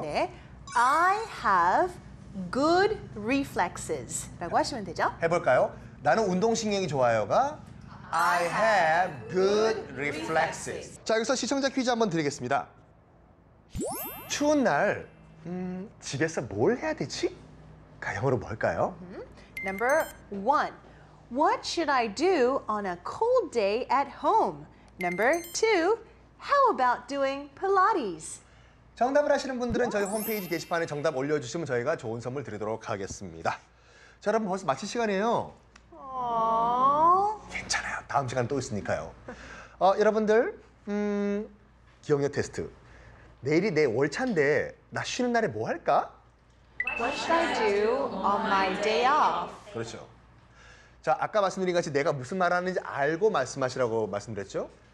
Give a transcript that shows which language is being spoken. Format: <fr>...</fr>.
<ko>네.</ko> <en>I have good reflexes</en> <ko>라고 하시면 되죠. 해볼까요? 나는 운동신경이 좋아요가</ko> <en>I have good reflexes.</en> <ko>자, 여기서 시청자 퀴즈 한번 드리겠습니다. 추운 날 집에서 뭘 해야 되지? 가 영어로 뭘까요? Mm-hmm.</ko> <en>Number one, what should I do on a cold day at home? Number two, how about doing Pilates?</en> <ko>정답을 아시는 분들은 저희 홈페이지 게시판에 정답 올려주시면 저희가 좋은 선물 드리도록 하겠습니다. 자, 여러분 벌써 마칠 시간이에요. 괜찮아요. 다음 시간 또 있으니까요. 여러분들 기억력 테스트. 내일이 내 월차인데 나 쉬는 날에 뭐 할까?</ko> <en>What should I do on my day off?</en> <ko>그렇죠. 자, 아까 말씀드린 것 같이 내가 무슨 말 하는지 알고 말씀하시라고 말씀드렸죠?</ko>